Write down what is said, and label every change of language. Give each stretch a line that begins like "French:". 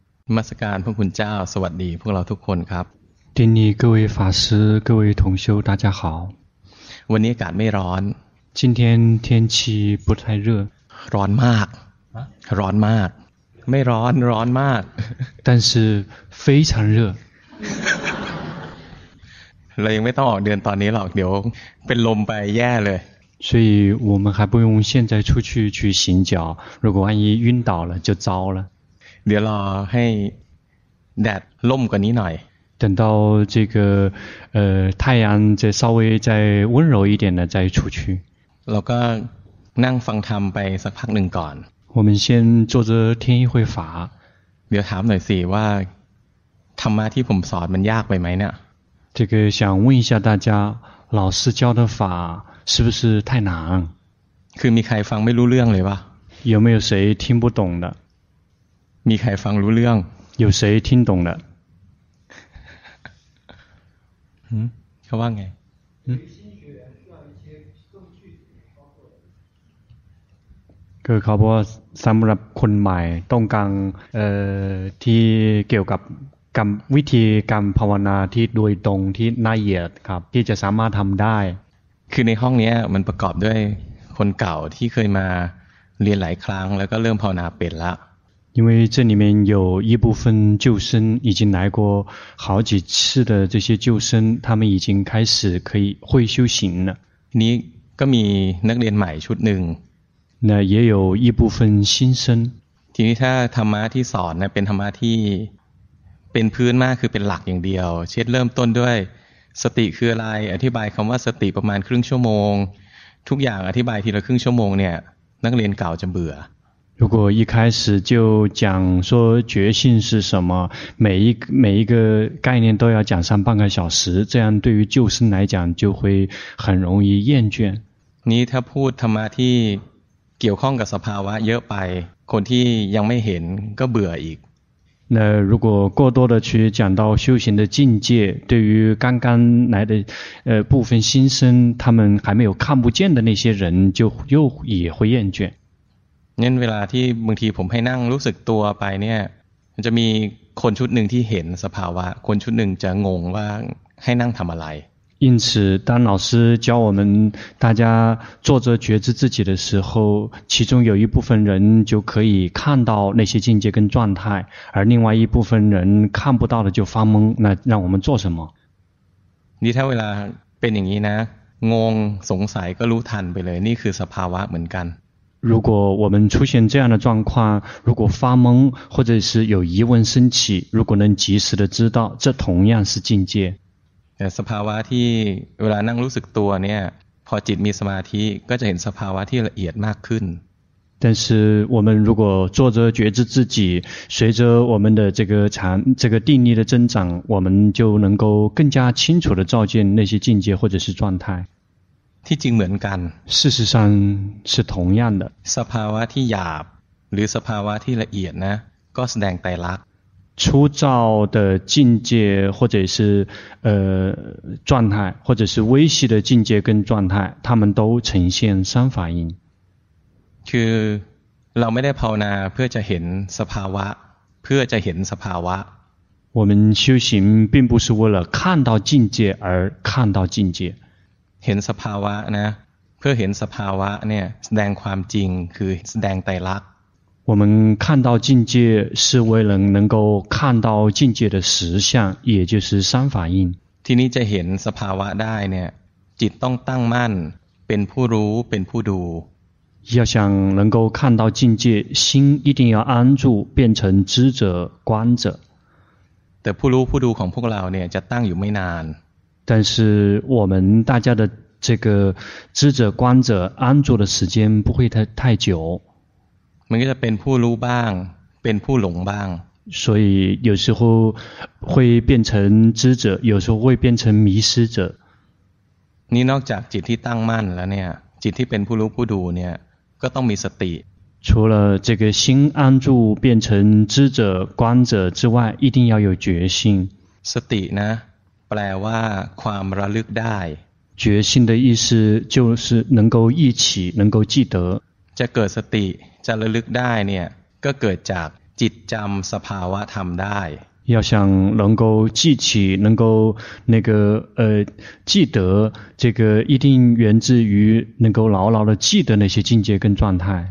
Thai: นมัสการพระคุณเจ้าสวัสดีพวกเราทุกคนครับ ทินี
Chinese: 各位法师各位同修大家好
Thai: วันนี้อากาศไม่ร้อน
Chinese: 今天天气不太热
Thai: ร้อนมากร้อนมากไม่ร้อนร้อนมาก
Chinese: 但是非常热
Thai: เรายังไม่ต้องออกเดินตอนนี้หรอกเดี๋ยวเป็นลมไปแย่เลย
Chinese: 所以我们还不用现在出去去行脚如果万一晕倒了就糟了
Thai: เดี๋ยวรอให้แดดล่มกว่านี้หน่อย
Chinese: 等到这个太阳再稍微再温柔一点的再出去
Thai: เราก็นั่งฟังธรรมไปสักพักหนึ่งก่อน
Chinese: 我们先坐着听一会法
Thai: เดี๋ยวถามหน่อยสิว่าธรรมะที่ผมสอนมันยากไปไหมเนี่ย
Chinese: 这个想问一下大家老师教的法是不是太难
Thai: คือมีใครฟังไม่รู้เรื่องเลยป่ะ
Chinese: 有没有谁听不懂的
Thai: มีใครฟังรู้เรื่อง
Chinese: 有谁听懂的
Thai: เขาว่าไง คือเขาบอกว่าสำหรับคนใหม่ต้องการที่เกี่ยวกับกรรมวิธีกรรมภาวนาที่โดยตรงที่ละเอียดครับที่จะสามารถทำได้คือในห้องนี้มันประกอบด้วยคนเก่าที่เคยมาเรียนหลายครั้งแล้วก็เริ่มภาวนาเป็นแล้ว
Chinese: 因为这里面有一部分旧生已经来过好几次的这些旧生他们已经开始可以会修行了
Thai: นี่ก็มีนักเรียนใหม่ชุดหนึ่ง
Chinese: 那也有一部分新生
Thai: ทีนี้ถ้าธรรมะที่สอนเนี่ยเป็นธรรมะที่เป็นพื้นมากคือเป็นหลักอย่างเดียวเช่นเริ่มต้นด้วยสติคืออะไรอธิบายคำว่าสติประมาณครึ่งชั่วโมงทุกอย่างอธิบายทีละครึ่งชั่วโมงเนี่ยนักเรียนเก่าจะเบื่อ
Chinese: 如果一开始就讲说觉性是什么，每一个概念都要讲上半个小时，这样对于旧生来讲就会很容易厌倦。你他
Thai: พูดธรรมะที่เกี่ยวข้องกับสภาวะเยอะไปคนที่ยังไม่เห็นก็เบื่ออีก
Chinese: 那如果过多的去讲到修行的境界，对于刚刚来的部分新生，他们还没有看不见的那些人，就又也会厌倦。
Thai: งั้นเวลาที่บางทีผมให้นั่งรู้สึกตัวไปเนี่ยมันจะมีคนชุดหนึ่งที่เห็นสภาวะคนชุดหนึ่งจะงงว่าให้นั่งทำอะไร
Chinese: 因此当老师教我们大家坐着觉知自己的时候其中有一部分人就可以看到那些境界跟状态而另外一部分人看不到的就发懵那让我们做什么
Thai: นี่ถ้าเวลาเป็นอย่างนี้นะงงสงสัยก็รู้ทันไปเลยนี่คือสภาวะเหมือนกัน
Chinese: 如果我们出现这样的状况如果发懵或者是有疑问升起如果能及时的知道这同样是境界
Thai: สภาวะที่เวลานั่งรู้สึกตัวเนี่ยพอจิตมีสมาธิก็จะเห็นสภาวะที่ละเอียดมากขึ้น
Chinese: 但是我们如果坐着觉知自己随着我们的这个定力的增长我们就能够更加清楚的照见那些境界或者是状态
Thai: ที่จริงเหมือนกัน
Chinese: 事实上是同样的
Thai: สภาวะที่หยาบหรือสภาวะที่ละเอียดนะก็แสดงไตรลักษณ์
Chinese: 出照的境界或者是状态或者是微细的境界跟状态他们都呈现三法印
Thai: คือเราไม่ได้ภาวนาเพื่อจะเห็นสภาวะเพื่อจะเห็นสภาวะ
Chinese: 我们修行并不是为了看到境界而看到境界
Thai: เห็นสภาวะนะเพื่อเห็นสภาวะเนี่ยแสดงความจริงคือแสดงไตรลักษณ์
Chinese: 我们看到境界是为了能够看到境界的实相也就是三法印
Thai: ที่นี้จะเห็นสภาวะได้เนี่ยจิตต้องตั้งมั่นเป็นผู้รู้เป็นผู้ดู
Chinese: 要想能够看到境界心一定要安住变成知者观者
Thai: แต่ผู้รู้ผู้ดูของพวกเราเนี่ยจะตั้งอยู่ไม่นาน
Chinese: 但是我们大家的这个知者观者安住的时间不会太久
Thai: มันก็จะเป็นผู้รู้บ้างเป็นผู้หลงบ้าง
Chinese: 所以有时候会变成知者有时候会变成迷失者
Thai: นี่นอกจากจิตที่ตั้งมั่นแล้วเนี่ยจิตที่เป็นผู้รู้ผู้ดูเนี่ยก็ต้องมีสติ
Chinese: 除了这个心安住变成知者观者之外一定要有决心
Thai: สตินะแปลว่าความระลึกได้
Chinese: 决心的意思就是能够忆起能够记得
Thai: จะเกิดสติจะระลึกได้เนี่ยก็เกิดจาก จิตจำสภาวะธรรมได้
Chinese: 要想能够记起，能够那个记得这个，一定源自于能够牢牢的记得那些境界跟状态。